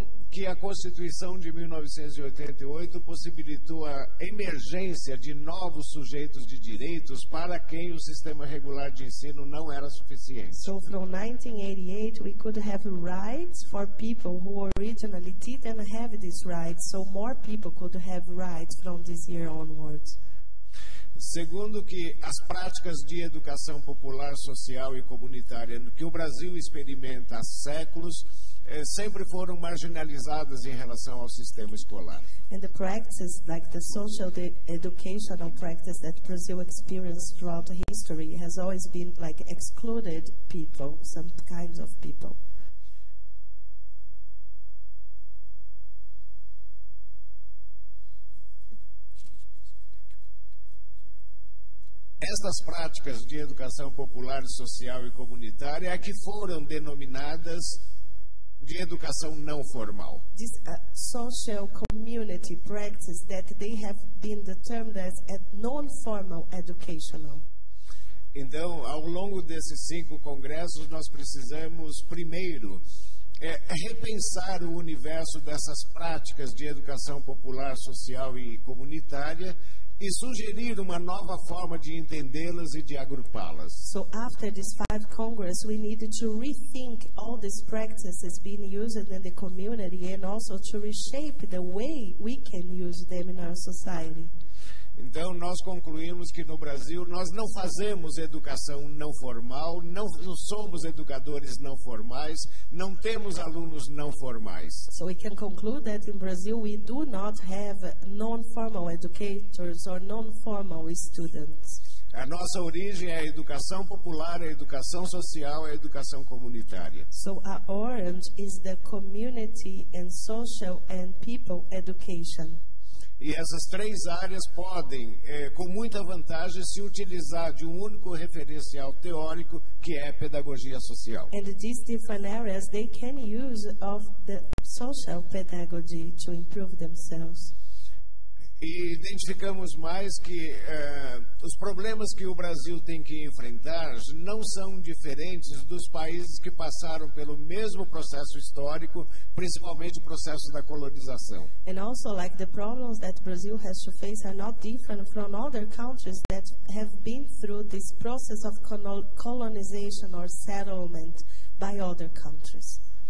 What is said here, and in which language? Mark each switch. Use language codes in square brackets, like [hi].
[pt] Que a Constituição de 1988 possibilitou a emergência de novos sujeitos de direitos para quem o sistema regular de ensino não era suficiente. [en] So from 1988 we could have rights for people who originally didn't have these rights, so more people could have rights from this year onwards. [pt] Segundo, que as práticas de educação popular, social e comunitária que o Brasil experimenta há séculos sempre foram marginalizadas em relação ao sistema escolar. [en] And the practices, like the social, the educational practice that Brazil experienced throughout history, has always been like excluded people, some kinds of people. [pt] Estas práticas de educação popular, social e comunitária é que foram denominadas de educação não formal. [en] This social community practice that they have been determined as a non-formal educational. [pt] Então, ao longo desses 5 congressos, nós precisamos primeiro repensar o universo dessas práticas de educação popular, social e comunitária e sugerir uma nova forma de entendê-las e de agrupá-las. [en] So after these 5 congress, we needed to rethink all these practices being used in the community and also to reshape the way we can use them in our society. [pt] Então nós concluímos que no Brasil nós não fazemos educação não formal, não somos educadores não formais, não temos alunos não formais. [en] So we can conclude that in Brazil we do not have non-formal educators or non-formal students. [pt] A nossa origem é a educação popular, a educação social, a educação comunitária. [en] So our origin is the community and social and people education. [pt] E essas 3 áreas podem, com muita vantagem, se utilizar de um único referencial teórico, que é a pedagogia social. [en] And these different areas, they can use of the social pedagogy to improve themselves. [pt] E identificamos mais que os problemas que o Brasil tem que enfrentar não são diferentes dos países que passaram pelo mesmo processo histórico, principalmente o processo da colonização. [en] And also, like the problems that Brazil has to face are not different from other countries that have been through this process of colonization or settlement by other countries.